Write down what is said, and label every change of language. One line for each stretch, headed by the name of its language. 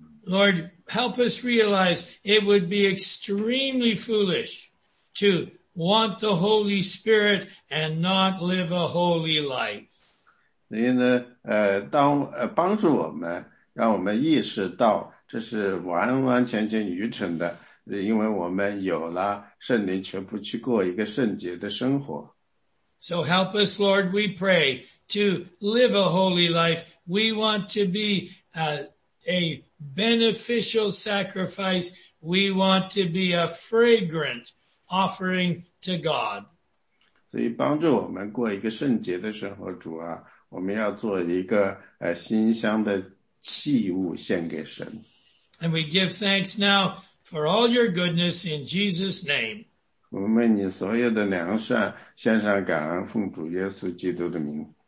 English: Lord, help us realize it would be extremely foolish to want the Holy Spirit and not live a holy life.
Chinese: 所以呢，帮助我们，让我们意识到这是完完全全愚蠢的，因为我们有了圣灵，却不去过一个圣洁的生活。
English: So help us, Lord, we pray, to live a holy life. We want to be a beneficial sacrifice. We want to be a fragrant offering to God.
Chinese: 所以帮助我们过一个圣洁的生活，主啊，我们要做一个馨香的器物献给神。
English: And we give thanks now for all your goodness in Jesus' name.
Chinese: 我们为你所有的良善献上感恩，奉主耶稣基督的名。